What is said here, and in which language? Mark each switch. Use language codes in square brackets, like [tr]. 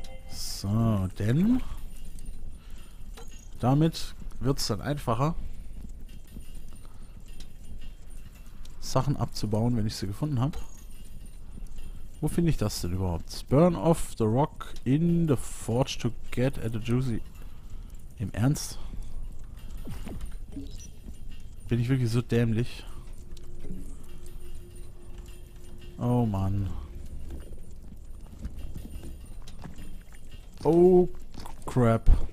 [de] So, denn damit wird es dann einfacher, Sachen abzubauen, wenn ich sie gefunden habe. Wo finde ich das denn überhaupt? [en] Burn off the rock in the forge to get at the juicy. [de] Im Ernst? Bin ich wirklich so dämlich? Oh Mann. [en] Oh crap.